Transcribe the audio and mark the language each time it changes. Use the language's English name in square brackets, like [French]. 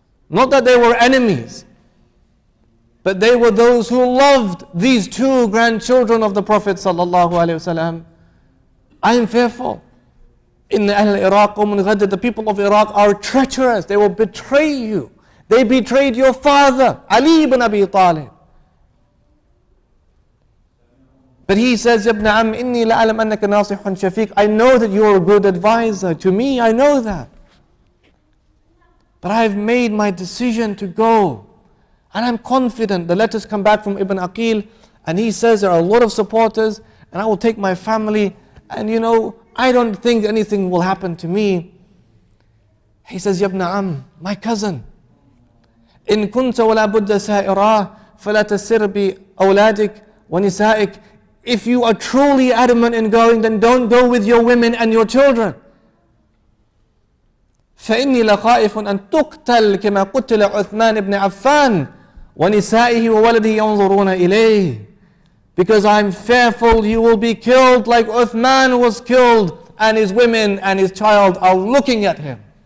[English] Not that they were enemies, but they were those who loved these two grandchildren of the Prophet sallallahu alayhi wa sallam. [Arabic] I am fearful. إِنَّ أَهْلَ الْإِرَاقِ وَمُنْ غَدِّ. [English] The people of Iraq are treacherous. They will betray you. They betrayed your father, Ali ibn Abi Talib. [Arabic] But he says, يَبْنَ عَمْ إِنِّي لَأَلَمْ أَنَّكَ نَاصِحٌ شَفِيقٌ. [English] I know that you are a good advisor to me. I know that. But I have made my decision to go. And I'm confident, the letters come back from Ibn Aqil, and he says there are a lot of supporters, and I will take my family, and you know, I don't think anything will happen to me. [Arabic] He says, Yabna Am, my cousin, إِن كُنْتَ وَلَا بُدَّ سَائِرَاهُ فَلَا تَسِرْ بِأَوْلَادِكَ وَنِسَائِكَ. [English] If you are truly adamant in going, then don't go with your women and your children. [Arabic] فَإِنِّي لَخَائِفٌ أَن تُقْتَلْ كَمَا قُتِلَ عُثْمَانِ بْنِ عَفَّانِ وَنِسَائِهِ وَوَلَدِهِ يَنظُرُونَ إِلَيْهِ. [English] Because I'm fearful you will be killed like Uthman was killed, and his women and his child are looking at him.